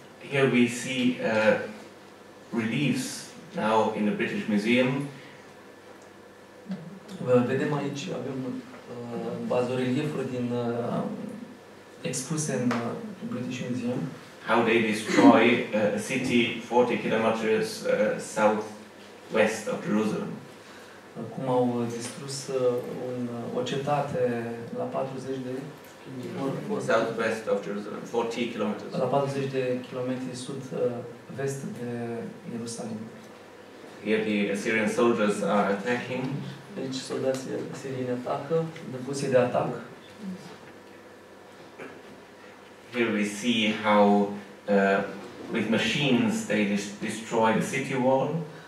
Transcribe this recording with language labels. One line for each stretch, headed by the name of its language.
English: Here we see reliefs now in the British Museum.
Romanian: Vedem aici, avem bazoreliefuri din expuse în British Museum.
English: How they destroy a city 40 kilometers southwest of Jerusalem.
Romanian: Cum au distrus o cetate la 40 de
English: southwest of Jerusalem, 40 kilometers.
Romanian: La 40 de kilometri sud vest de Ierusalim.
English: Here the Assyrian soldiers are attacking.
Romanian: Deci soldații asirieni atacă, depuse de atac.
English: Here we see how with machines they destroy the city wall.